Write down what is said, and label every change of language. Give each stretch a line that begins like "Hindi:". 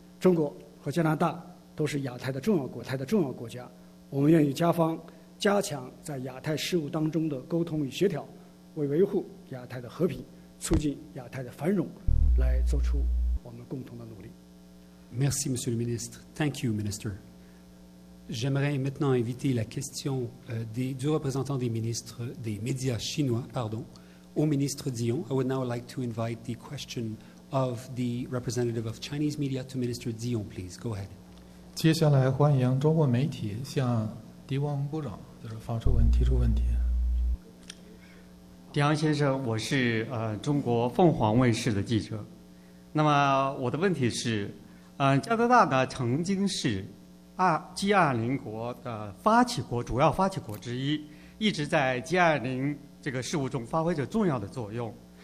Chinese: 中国和加拿大都是亚太的重要国，台的重要国家，我们愿意加方加强在亚太事务当中的沟通与协调，为维护亚太的和平，促进亚太的繁荣，来做出我们共同的努力。
French: Merci, Monsieur le Ministre.
English: Thank you, Minister.
French: J'aimerais maintenant inviter la question des deux représentants des ministres des médias chinois, pardon, au ministre Dion.
English: I would now like to invite the question of the representative of Chinese media to Minister Dion, please. Go ahead.
Chinese: 接下来欢迎中国媒体向狄汪部长就是方受文提出问题。狄汪先生，我是中国凤凰卫视的记者。那么我的问题是，加拿大呢曾经是G20 国的发起国，主要发起国之一，一直在 G20 这个事务中发挥着重要的作用。